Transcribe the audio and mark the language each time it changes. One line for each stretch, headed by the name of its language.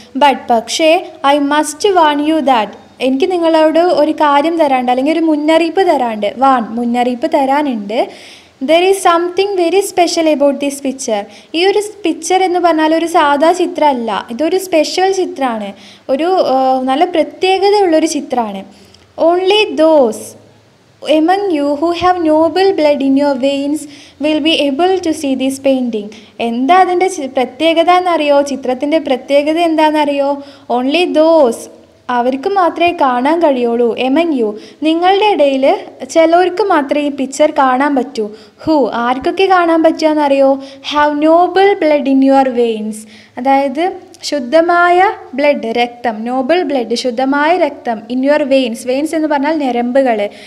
Malayalam: But പക്ഷേ
English: I must warn you that,
Malayalam: എനിക്ക് നിങ്ങളോട് ഒരു കാര്യം തരാണ്ട് അല്ലെങ്കിൽ ഒരു മുന്നറിയിപ്പ് തരാണ്ട്, വാൺ മുന്നറിയിപ്പ് തരാനുണ്ട്.
English: there is something very special about this picture,
Malayalam: ഈ ഒരു പിക്ചർ എന്ന് പറഞ്ഞാൽ ഒരു സാധാ ചിത്രമല്ല, ഇതൊരു സ്പെഷ്യൽ ചിത്രമാണ്, ഒരു നല്ല പ്രത്യേകതയുള്ളൊരു ചിത്രമാണ്.
English: Only those Among you who have noble blood in your veins will be able to see this painting.
Malayalam: എന്താ അതിൻ്റെ പ്രത്യേകത എന്നറിയോ, ചിത്രത്തിൻ്റെ പ്രത്യേകത എന്താണെന്നറിയോ?
English: only those,
Malayalam: അവർക്ക് മാത്രമേ കാണാൻ കഴിയുള്ളൂ.
English: among you,
Malayalam: നിങ്ങളുടെ ഇടയിൽ ചിലർക്ക് മാത്രമേ ഈ പിക്ചർ കാണാൻ പറ്റൂ. ഹു, ആർക്കൊക്കെ കാണാൻ പറ്റുകയെന്നറിയോ?
English: have noble blood in your veins,
Malayalam: അതായത് ശുദ്ധമായ ബ്ലഡ്, രക്തം, നോബിൾ ബ്ലഡ്, ശുദ്ധമായ രക്തം, ഇൻ യുവർ വെയിൻസ്, വെയിൻസ് എന്ന് പറഞ്ഞാൽ ഞരമ്പുകൾ.